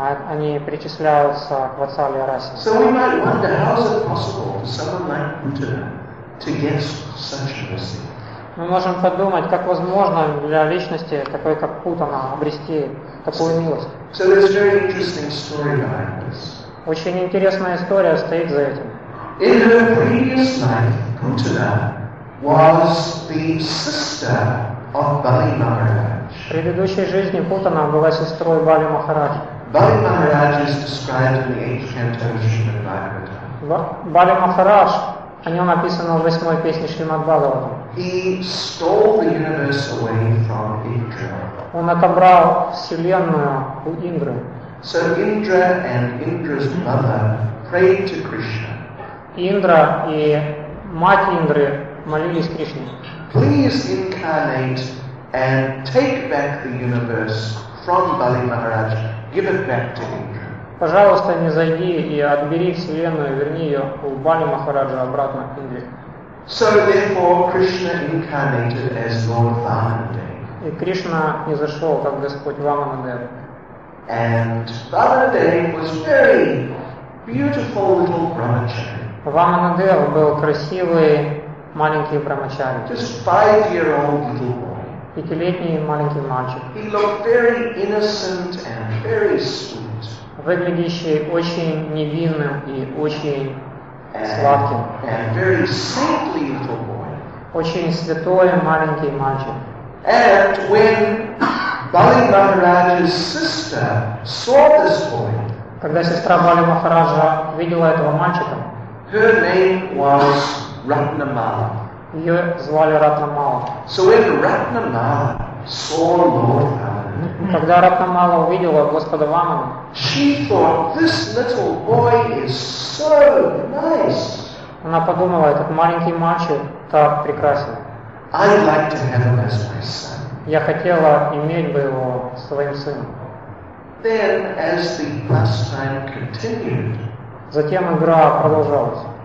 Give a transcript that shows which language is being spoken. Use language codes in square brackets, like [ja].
[ru] Они причисляются к Ватсали Расе. [en] So we might wonder, how is it possible for someone like Putana to get such a blessing? [ru] Мы можем подумать, как возможно для личности такой как Путана обрести такую милость. [en] So there's a very interesting story behind this. [ru] Очень интересная история стоит за этим. [en] In her previous life, Putana was the sister of Bali Maharaj. [ru] В предыдущей жизни Путана была сестрой Бали Махараджа. [en] Bali Maharaj is described in the 8th canto of Srimad Bhagavatam. Bali Maharaj. [ru] О нем написано в 8-й песне Шримад Бхагаватам. [en] He stole the universe away from Indra. [ru] Он отобрал вселенную у Индры. [en] So Indra and Indra's mother prayed to Krishna. [ru] Индра и мать Индры молились Кришне. [en] Please incarnate and take back the universe from Bali Maharaj. Give it back to Indra. [ru] Пожалуйста, не зайди и отбери вселенную, верни ее у Бали Махараджа обратно к Индре. [en] So therefore Krishna incarnated as Lord Vamanadeva. [ru] И Кришна не зашел как Господь Вамана-дева. [en] And Vamanadeva was very beautiful little brahmachari. [ru] Вамана-дева был красивый маленький брамачари. [en] Just 5-year-old little boy. [ru] 5-летний маленький мальчик. [en] He looked very innocent and very sweet. [ru] Выглядящий очень невинным и очень сладким. [en] And very saintly little boy. [ru] Очень святой маленький мальчик. [en] And when Bali Maharaj's sister saw this boy, [ru] когда сестра Бали Махараджа видела этого мальчика, [en] her name was Ratnamala. [ru] Ее звали Ратнамала. [en] So when Ratnamala saw Lord Vamana, [ru] когда Ратнамала увидела Господа Вамана, [en] she thought, this little boy is so nice. [ru] Она подумала, этот маленький мальчик так прекрасен. [en] I'd like to have him as my son. [ru] Я хотела иметь бы его своим сыном. [en] Then, as the pastime continued, [ru] затем игра продолжалась.